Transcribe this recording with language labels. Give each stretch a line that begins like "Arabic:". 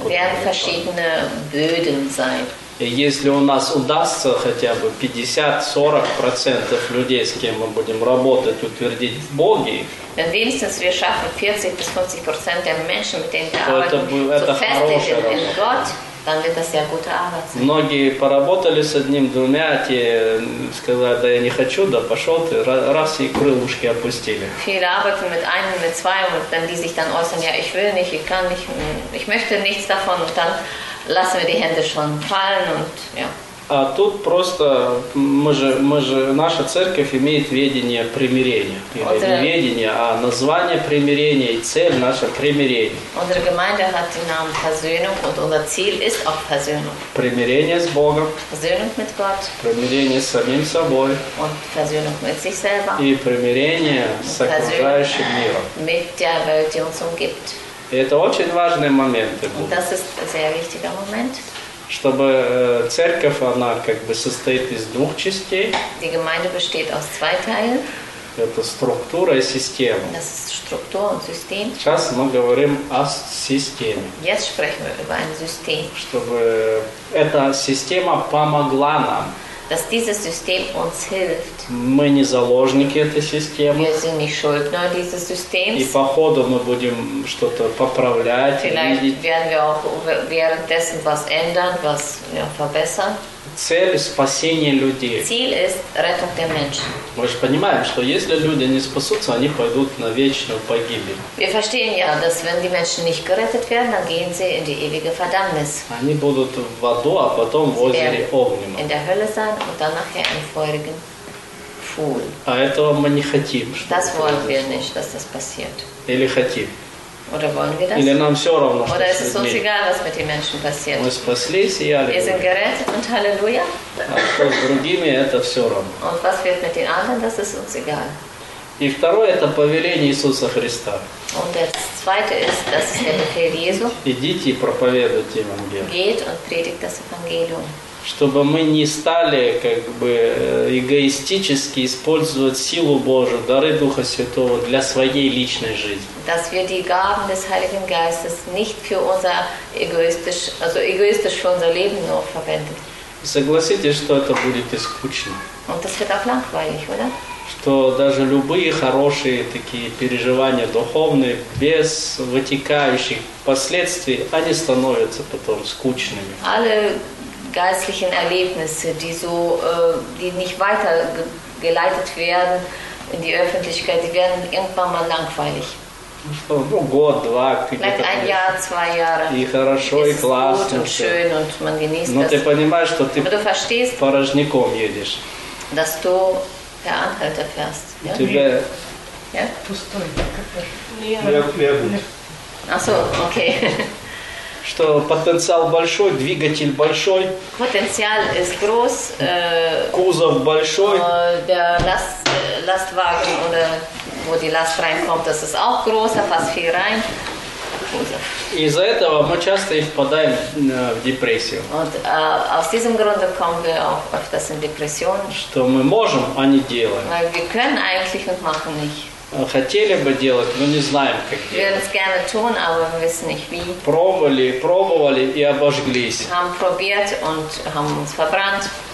German: Werden verschiedene Böden sein.
Russian: И если у нас удастся хотя бы 50-40% людей, с кем мы будем работать, утвердить в Боге,
German: wenn wenigstens wir schaffen, 40-50% der Menschen, mit denen wir arbeiten, zu festigen in Gott, Dann wird das sehr gute Arbeit sein.
Russian: Многие поработали с одним, двумя, те сказали, да я не хочу, да пошел ты, раз и крылышки опустили.
German: Viele arbeiten mit einem, mit zwei und dann die sich dann äußern, ja ich will nicht, ich kann nicht, ich möchte nichts davon und dann lassen wir die Hände schon fallen und ja.
Russian: А тут просто мы же наша церковь имеет ведение примирения. Не ведение, а название примирения и цель наше примирение.
German: Unsere Gemeinde hat den Namen Versöhnung und unser Ziel ist auch Versöhnung.
Russian: Примирение с Богом.
German: Versöhnung mit Gott.
Russian: Примирение с самим собой.
German: Und Versöhnung mit sich selber.
Russian: И примирение с окружающим миром.
German: Mit der Welt, die uns umgibt.
Russian: И это очень важный момент.
German: Und das ist ein sehr wichtiger Moment.
Russian: Чтобы церковь, она как бы состоит из двух частей.
German: Die Gemeinde besteht aus zwei Teilen.
Russian: Это структура и система.
German: Das ist Struktur und System.
Russian: Сейчас мы говорим о системе.
German: Jetzt sprechen wir über ein System.
Russian: Чтобы эта система помогла нам.
German: Dass dieses System uns hilft.
Russian: Мы не заложники этой системы.
German: Wir sind nicht Schuldner dieses Systems.
Russian: И по ходу мы будем что-то поправлять.
German: Vielleicht
Russian: видеть.
German: Werden wir auch währenddessen was ändern, was ja, verbessern.
Russian: Цель – спасение людей.
German: Ziel ist Rettung der Menschen.
Russian: Мы же понимаем, что если люди не спасутся, они пойдут на вечную погибель.
German: Wir verstehen ja, dass wenn die Menschen nicht gerettet werden, dann gehen sie in die ewige Verdammnis.
Russian: Они будут в аду, а потом в озере Огнем.
German: In der Hölle sein und dann nachher im feurigen Pfuhl.
Russian: А этого мы не хотим.
German: Das wollen wir nicht, dass das passiert.
Russian: Или хотим.
German: Oder wollen wir das?
Russian: Или нам все равно,
German: oder ist es uns egal, was mit den Menschen passiert?
Russian: Мы спаслись, и аллилуйя.
German: Wir sind gerettet und Halleluja.
Russian: А что с другими, это все равно.
German: Und was wird mit den anderen, das ist uns egal.
Russian: И второе, это повеление Иисуса Христа.
German: Und das zweite ist, das ist der Befehl Jesu.
Russian: Идите и проповедуйте Евангелие.
German: Geht und predigt das Evangelium.
Russian: Чтобы мы не стали как бы эгоистически использовать силу Божию, дары Духа Святого для своей личной жизни.
German: Dass wir die Gaben des Heiligen Geistes nicht für unser egoistisch, also egoistisch für unser Leben nur verwenden.
Russian: Согласитесь, что это будет скучно.
German: Und das wird auch langweilig, oder?
Russian: Что даже любые хорошие такие переживания духовные, без вытекающих последствий, они становятся потом скучными.
German: Alle geistlichen Erlebnisse, die so, die nicht weiter geleitet werden in die Öffentlichkeit, die werden irgendwann mal langweilig.
Russian: Ну, год, два,
German: vielleicht ein Jahr, zwei Jahre.
Russian: И хорошо,
German: ist
Russian: и классно,
German: gut und schön und man genießt
Russian: но
German: das.
Russian: Ты понимаешь, что ты
German: aber du verstehst,
Russian: порожником едешь.
German: Dass du per Anhalter fährst. Ja?
Russian: У тебя...
German: Ja?
Russian: Пустой. Мягут.
German: Ach so, okay.
Russian: Что потенциал большой, двигатель большой.
German: Потенциал ist groß.
Russian: Кузов большой.
German: Der Lastwagen oder wo die Last reinkommt, das ist auch groß, da passt viel rein.
Russian: Из-за этого мы часто и впадаем в депрессию.
German: Und aus diesem Grunde kommen wir auch öfters in Depression.
Russian: Что мы можем, а не делаем.
German: Weil wir können eigentlich und machen nicht.
Russian: Хотели бы делать, но не знаем, как делать.
German: Wir würden es gerne tun, aber wir wissen nicht wie.
Russian: Пробовали, пробовали и обожглись.
German: Haben probiert und haben uns verbrannt.